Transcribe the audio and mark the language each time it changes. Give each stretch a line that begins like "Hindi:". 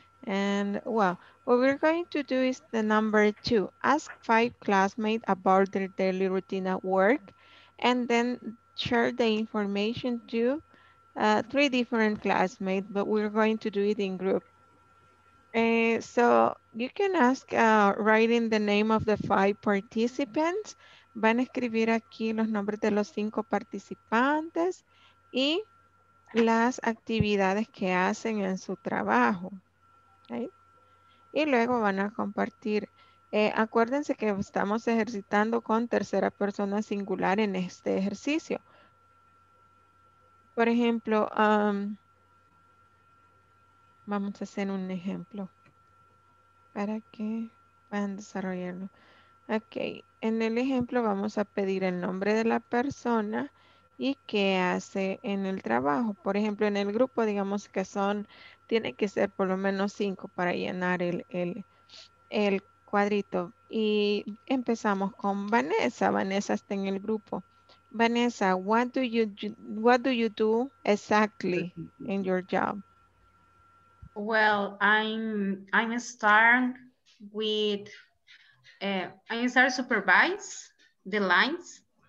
English: And well, what we're going to do is the number two, ask five classmates about their daily routine at work, and then share the information to three different classmates, but we're going to do it in group. So you can ask, writing the name of the five participants.
Spanish: Van a escribir aquí los nombres de los cinco participantes y las actividades que hacen en su trabajo. Right? Y luego van a compartir. Acuérdense que estamos ejercitando con tercera persona singular en este ejercicio. Por ejemplo, vamos a hacer un ejemplo para que puedan desarrollarlo. Ok, en el ejemplo vamos a pedir el nombre de la persona y qué hace en el trabajo. Por ejemplo, en el grupo, digamos que son, tiene que ser por lo menos cinco para llenar el cuadrito. Y empezamos con Vanessa. Vanessa está en el grupo.
English: Vanessa, what do you do exactly in your job? Well, I'm start with I start supervise the lines.